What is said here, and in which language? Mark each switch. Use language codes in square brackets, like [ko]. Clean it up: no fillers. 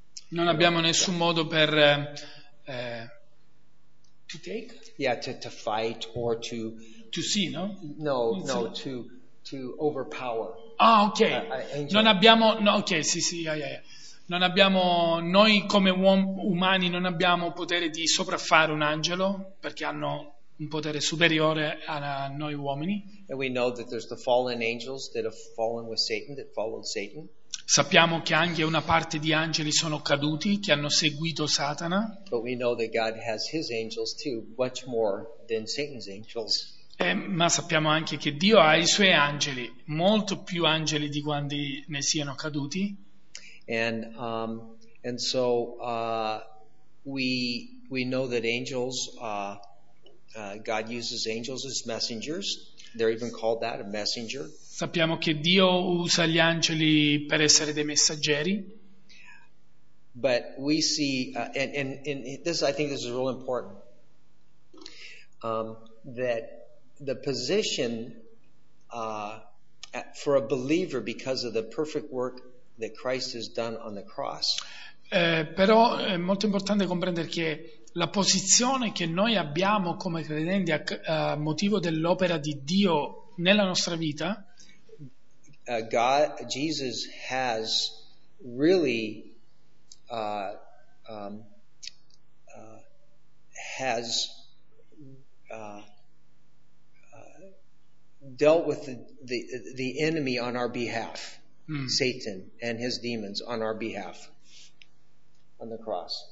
[it] Non abbiamo nessun modo per [en] to take? Yeah, to fight or to see, no? No, to overpower. Ah, ok. [it] Non abbiamo, no, ok, sì, yeah. Non abbiamo, noi come umani non abbiamo potere di sopraffare un angelo, perché hanno un potere superiore a noi uomini. [en] And we know that there's the fallen angels that have fallen with Satan, that followed Satan. [it] Sappiamo che anche una parte di angeli sono caduti, che hanno seguito Satana. [en] But we know that God has his angels too, much more than Satan's angels. [it] Ma sappiamo anche che Dio ha i suoi angeli, molto più angeli di quanti ne siano caduti. [en] And so we know that angels, God uses angels as messengers. They're even called that, a messenger. [it] Sappiamo che Dio usa gli angeli per essere dei messaggeri. [en] But we see, and this, I think this is really important, that the position for a believer because of the perfect work that Christ has done on the cross. [it] Però è molto importante comprendere che la posizione che noi abbiamo come credenti a motivo dell'opera di Dio nella nostra vita. [en] God, Jesus has really dealt with the enemy on our behalf, Satan and his demons on our behalf on the cross.